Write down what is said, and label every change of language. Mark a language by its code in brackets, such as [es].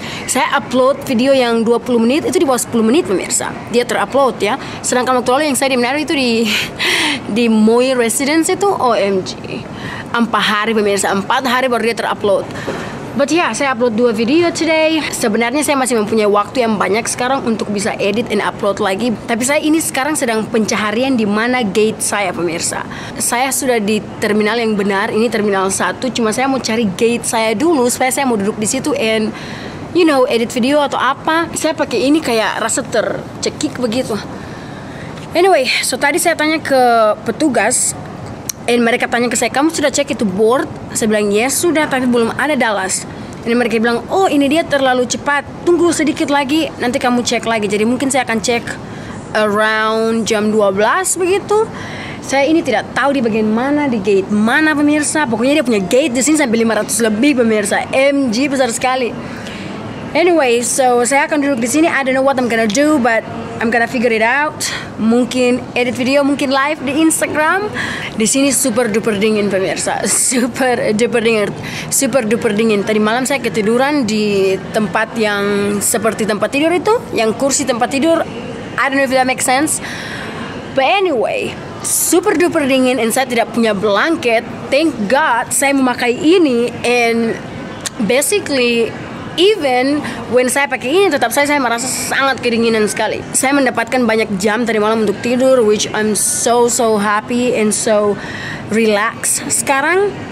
[id] Saya upload video yang 20 menit itu di bawah 10 menit pemirsa. Dia terupload ya. Sedangkan waktu lalu yang saya diminari itu di Moi Residence itu OMG. 4 hari pemirsa, 4 hari baru dia terupload. [en] But yeah, [id] saya upload 2 video today. Sebenarnya saya masih mempunyai waktu yang banyak sekarang untuk bisa edit and upload lagi. Tapi saya ini sekarang sedang pencaharian di mana gate saya, pemirsa. Saya sudah di terminal yang benar, ini terminal 1. Cuma saya mau cari gate saya dulu supaya saya mau duduk di situ [en] and you know, [id] edit video atau apa. Saya pakai ini kayak rasa tercekik begitu. Anyway, so tadi saya tanya ke petugas. And mereka tanya ke saya, kamu sudah cek itu board? Saya bilang, yes sudah, tapi belum ada Dallas. And mereka bilang, oh ini dia terlalu cepat. Tunggu sedikit lagi, nanti kamu cek lagi. Jadi mungkin saya akan cek around jam 12 begitu. Saya ini tidak tahu di bagian mana, di gate mana pemirsa. Pokoknya dia punya gate di sini sampai 500 lebih pemirsa. MG besar sekali. Anyway, so saya akan duduk di sini. [en] I don't know what I'm gonna do, but I'm gonna figure it out. [id] Mungkin edit video, mungkin live di Instagram. Di sini super duper dingin pemirsa. Super duper dingin. Super duper dingin. Tadi malam saya ketiduran di tempat yang seperti tempat tidur itu, yang kursi tempat tidur. [en] I don't know if that makes sense. But anyway, [id] super duper dingin and saya tidak punya blanket. Thank God saya memakai ini and basically even when saya pakai ini tetap saya merasa sangat kedinginan sekali. Saya mendapatkan banyak jam tadi malam untuk tidur, [en] which I'm so so happy and so relaxed [id] sekarang.